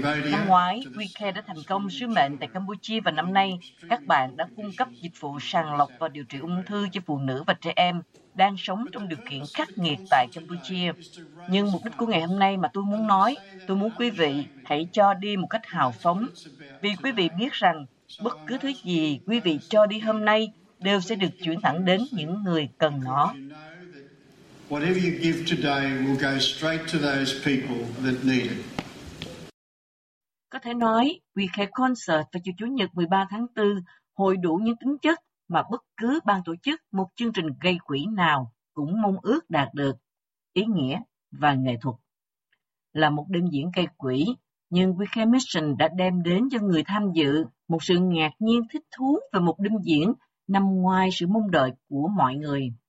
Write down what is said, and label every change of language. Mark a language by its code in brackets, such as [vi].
[vi] Năm ngoái, We Care đã thành công sứ mệnh tại Campuchia và năm nay, các bạn đã cung cấp dịch vụ sàng lọc và điều trị ung thư cho phụ nữ và trẻ em đang sống trong điều kiện khắc nghiệt tại Campuchia. Nhưng mục đích của ngày hôm nay mà tôi muốn nói, tôi muốn quý vị hãy cho đi một cách hào phóng. Vì quý vị biết rằng, bất cứ thứ gì quý vị cho đi hôm nay đều sẽ được chuyển thẳng đến những người cần nó. [en] Whatever you give today will go straight to those people that need it. [vi] Có thể nói, We Care Concert vào chiều Chủ nhật 13 tháng 4 hội đủ những tính chất mà bất cứ ban tổ chức một chương trình gây quỹ nào cũng mong ước đạt được: ý nghĩa và nghệ thuật. Là một đêm diễn gây quỹ, nhưng We Care Mission đã đem đến cho người tham dự một sự ngạc nhiên thích thú về một đêm diễn nằm ngoài sự mong đợi của mọi người.